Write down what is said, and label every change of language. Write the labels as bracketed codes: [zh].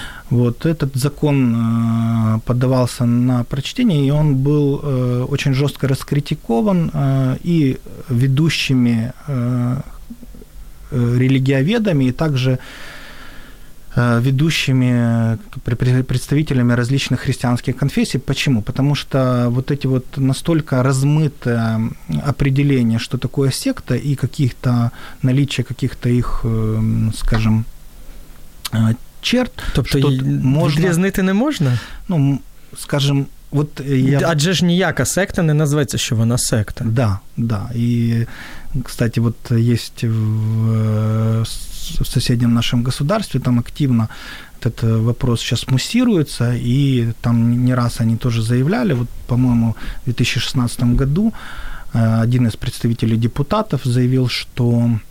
[ru] Вот этот закон поддавался на прочтение, и он был очень жестко раскритикован и ведущими религиоведами, и также ведущими представителями различных христианских конфессий. Почему? Потому что вот эти вот настолько размытые определения, что такое секта, и каких-то наличие каких-то их, скажем, черт. [uk] Тобто відрізнити не можна? [ru] Ну, скажем, вот я... [uk] Адже ж ніяка секта не називається, що вона секта. [ru] Да, да. И, кстати, вот есть в соседнем нашем государстве, там активно этот вопрос сейчас муссируется, и там не раз они тоже заявляли, вот, по-моему, в 2016 году один из представителей депутатов заявил, что